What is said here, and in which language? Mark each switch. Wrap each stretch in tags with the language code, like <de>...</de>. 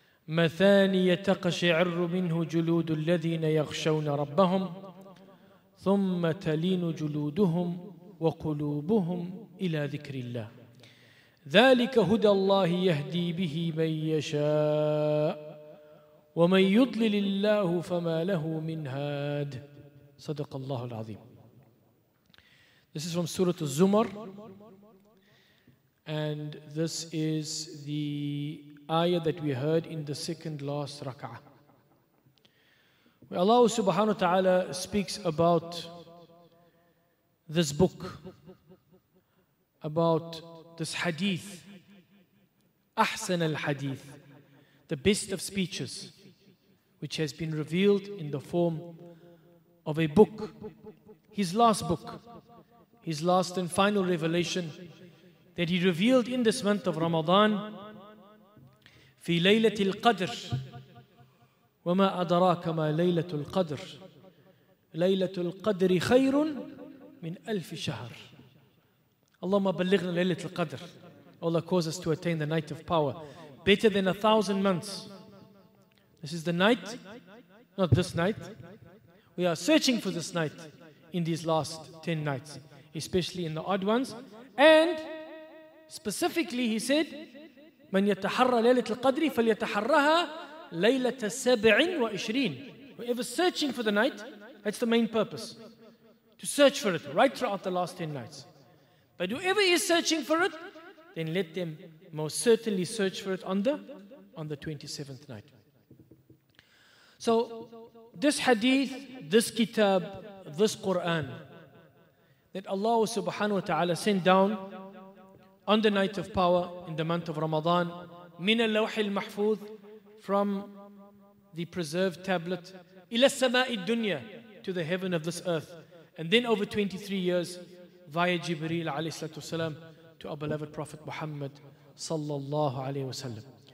<ar>مثاني تقشعر منه جلود الذين يخشون ربهم ثم تلين جلودهم وقلوبهم إلى ذكر الله ذلك هدى الله يهدي به من يشاء ومن يضلل الله فما له من هاد صدق الله العظيم.</ar> <en>This is from Surah Az-Zumar, and this is the ayah that we heard in the second last rak'ah, where Allah subhanahu wa ta'ala speaks about this book, about this hadith, ahsan al-hadith, the best of speeches, which has been revealed in the form of a book, his last book, his last and final revelation that he revealed in this month of Ramadan.</en> <ar>في ليلة القدر وما أدراك ما ليلة القدر ليلة القدر خير من ألف شهر. اللهم بلغنا ليلة القدر.</ar> <en>Allah cause us to attain the night of power, better than 1,000 months. This is the night, not this night. We are searching for this night in these last 10 nights, especially in the odd ones. And specifically he said,</en> <ar>من يتحرى ليلة القدر فليتحرها ليلة 27.</ar> <en>Whoever's searching for the night, that's the main purpose. To search for it right throughout the last 10 nights. But whoever is searching for it, then let them most certainly search for it on the 27th night. So this hadith, this kitab, this Quran that Allah subhanahu wa ta'ala sent down on the night of power in the month of Ramadan,</en> <ar>min al-lawh al-mahfuz,</ar> <en>from the preserved tablet,</en> <ar>ila sama'i dunya,</ar> <en>to the heaven of this earth, and then over 23 years via Jibreel alayhi salatu wasalam to our beloved Prophet Muhammad sallallahu alayhi wasallam.</en>